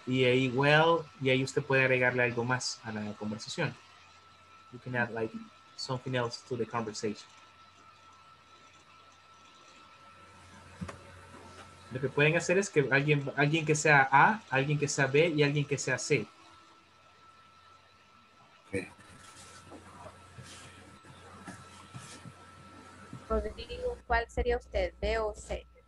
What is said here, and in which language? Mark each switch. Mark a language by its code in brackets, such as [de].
[es] Y ahí, y ahí usted puede agregarle algo más a la conversación. [en] You can add, like, something else to the conversation. [es] Lo que pueden hacer es que alguien que sea A, alguien que sea B y alguien que sea C. Rodrigo, ¿cuál sería usted? ¿B o C?